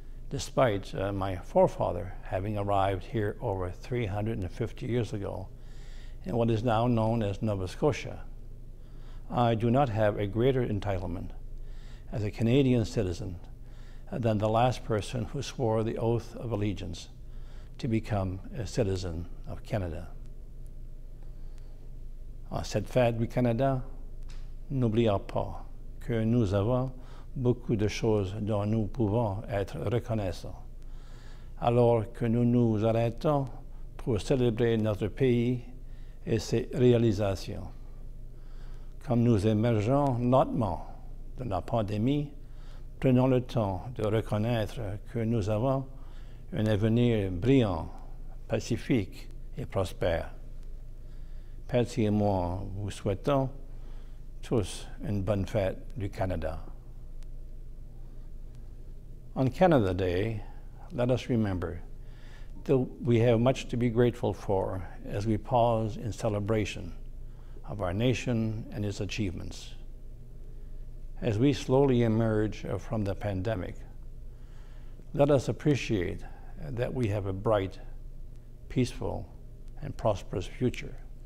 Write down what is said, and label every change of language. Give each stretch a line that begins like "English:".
English: Despite my forefather having arrived here over 350 years ago, in what is now known as Nova Scotia, I do not have a greater entitlement as a Canadian citizen than the last person who swore the oath of allegiance to become a citizen of Canada.
French: À cette fête du Canada, n'oublions pas que nous avons beaucoup de choses dont nous pouvons être reconnaissants. Alors que nous nous arrêtons pour célébrer notre pays et ses réalisations. Comme nous émergeons lentement de la pandémie, prenons le temps de reconnaître que nous avons un avenir brillant, pacifique et prospère. Percy et moi vous souhaitons tous une bonne fête du Canada.
English: On Canada Day, let us remember that we have much to be grateful for as we pause in celebration of our nation and its achievements. As we slowly emerge from the pandemic, let us appreciate that we have a bright, peaceful, and prosperous future.